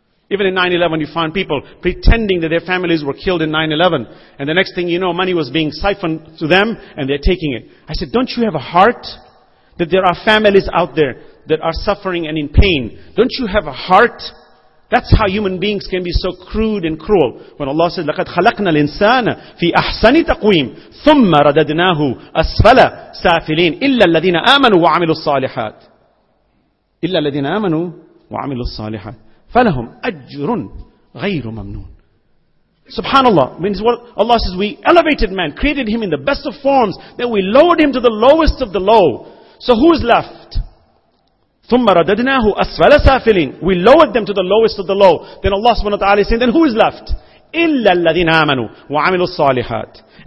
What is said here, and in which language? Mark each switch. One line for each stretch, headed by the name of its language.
English: Even in 9/11 you find people pretending that their families were killed in 9/11. And the next thing you know, money was being siphoned to them and they're taking it. I said, don't you have a heart that there are families out there that are suffering and in pain? Don't you have a heart? That's how human beings can be so crude and cruel.
Arabic: When Allah said, لَقَدْ خَلَقْنَا الْإِنسَانَ فِي أَحْسَنِ تَقْوِيمٍ ثُمَّ رَدَدْنَاهُ أَسْفَلَ سَافِلِينَ إِلَّا الَّذِينَ آمَنُوا وَعَمِلُوا الصَّالِحَاتِ إِلَّا الَّذِينَ آمَنُوا وَعَمِلُوا الصَّالِحَاتِ فَلَهُمْ أَجْرٌ غَيْرُ مَمْنُونَ.
English: Subhanallah, means what Allah says, we elevated man, created him in the best of forms, then we lowered him to the lowest of the low. So who is left? ثُمَّ رَدَدْنَاهُ أَسْفَلَ سَافِلِينَ. We lowered them to the lowest of the low. Then Allah subhanahu wa ta'ala is saying, then who is left?
Arabic: إِلَّا الَّذِينَ آمَنُوا وَعَمِلُوا الصَّالِحَاتِ.